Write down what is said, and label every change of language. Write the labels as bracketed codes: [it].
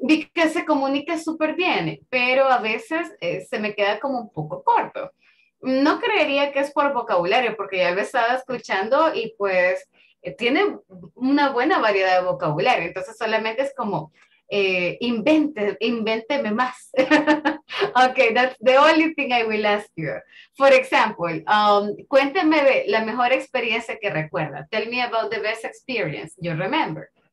[es] Vi que se comunica súper bien, pero a veces se me queda como un poco corto. No creería que es por vocabulario, porque ya lo estaba escuchando y pues tiene una buena variedad de vocabulario. Entonces solamente es como, invénteme más. [en] Ok, that's the only thing I will ask you. For example, [es] cuénteme la mejor experiencia que recuerda. [en] Tell me about the best experience you remember.